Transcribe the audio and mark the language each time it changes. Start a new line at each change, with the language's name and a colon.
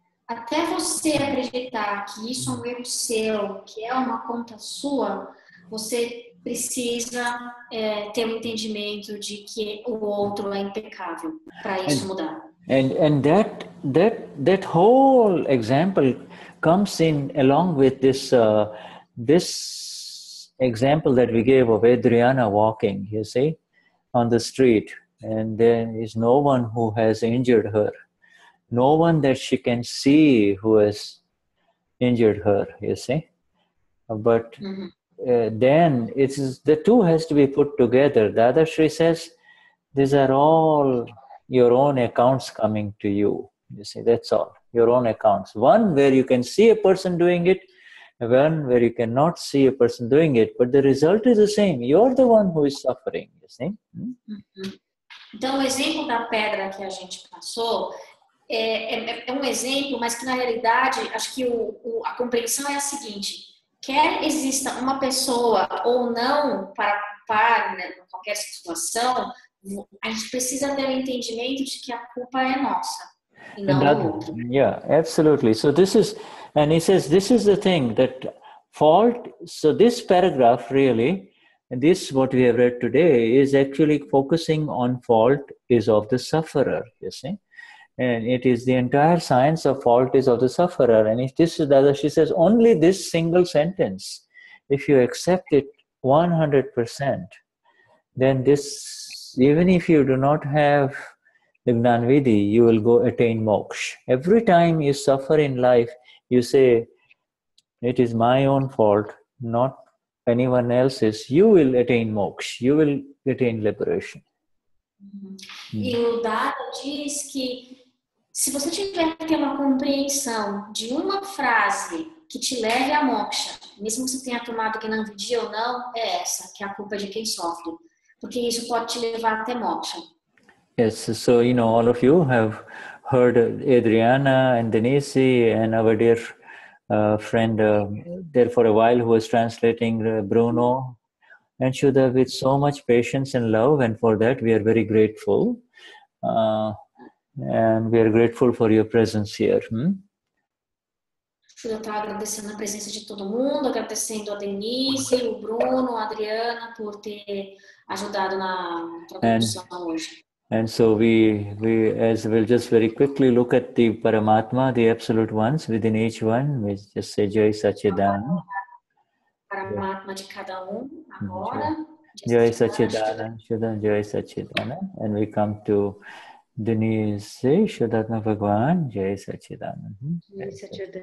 Portuguese: Até você acreditar que isso é um erro seu, que é uma conta sua, você precisa ter um entendimento de que o outro é impecável para isso mudar.
English: And that whole example comes in along with this example that we gave of Adriana walking, you see, on the street, and there is no one who has injured her. No one that she can see who has injured her, you see. But then it is, the two has to be put together. Dada Shri says, these are all your own accounts coming to you. You see, that's all. Your own accounts. One where you can see a person doing it, one where you cannot see a person doing it, but the result is the same. You're the one who is suffering, you see?
Portuguese: Então, o exemplo da pedra que a gente passou é um exemplo, mas que na realidade, acho que a compreensão é a seguinte. Quer exista uma pessoa ou não para né, qualquer situação, a gente precisa ter o entendimento de que a culpa é nossa.
English: And that, yeah, absolutely. So this is, and he says, this is the thing that fault, so this paragraph really, this what we have read today is actually focusing on fault is of the sufferer, you see. And it is the entire science of fault is of the sufferer. And if this is Dada, she says, only this single sentence, if you accept it 100%, then this, even if you do not have Jnanvidhi, you will go attain moksha. Every time you suffer in life, you say, it is my own fault, not anyone else's, you will attain moksha, you will attain liberation.
Portuguese: E o Dada diz que se você tiver que ter uma compreensão de uma frase que te leve a moksha, mesmo que você tenha tomado Jnanvidhi ou não, é essa, que é a culpa de quem sofre. Porque isso pode te levar até moksha.
English: Yes, so you know, all of you have heard Adriana and Denise and our dear friend there for a while who was translating Bruno and Shuddha with so much patience and love, and for that we are very grateful. And we are grateful for your presence here.
Portuguese: Shuddha está agradecendo a presença de todo mundo, agradecendo a Denise, o Bruno, a Adriana por ter ajudado na tradução hoje.
English: And so we as we'll just very quickly look at the Paramatma, the absolute ones within each one. We just say Jai Satchidananda.
Portuguese: Paramatma de cada agora.
English: Jai Satchidananda, Jai Satchidananda. And we come to Denise, Shuddhatma Bhagwan, Jai Satchidananda.